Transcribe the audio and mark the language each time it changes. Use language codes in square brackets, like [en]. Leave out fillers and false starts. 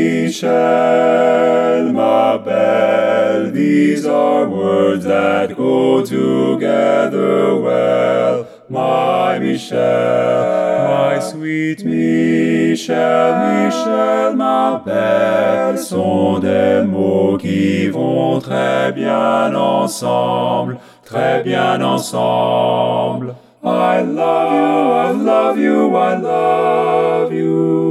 [en] Michel, Mabel, these are words that go together well. My Michel, my sweet Michel, [fr] Michel, Mabel, sont des mots qui vont très bien ensemble, très bien ensemble. [en] I love you, I love you, I love you.